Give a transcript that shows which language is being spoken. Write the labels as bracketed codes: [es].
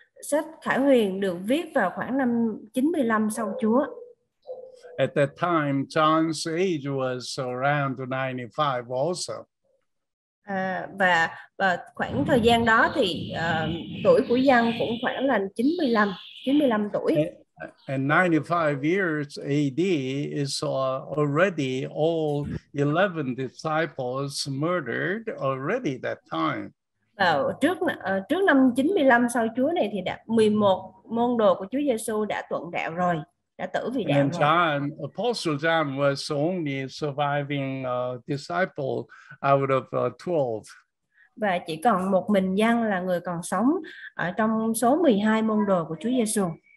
[vi] Sách Khải Huyền được viết vào khoảng năm 95 sau Chúa. [en] At that time, John's age was around 95 also. [vi] Và khoảng thời gian đó thì tuổi của Giăng cũng khoảng là 95 tuổi. [en] And 95 years AD is already all 11 disciples murdered already that time. [vi] Và trước năm 95 sau Chúa này thì đã 11 môn đồ của Chúa Giêsu đã tuận đạo rồi. [en] And John, Apostle John, was only surviving disciple out of 12. [vi] Và chỉ còn một mình Giăng là người còn sống ở trong số 12 môn đồ của Chúa Giêsu.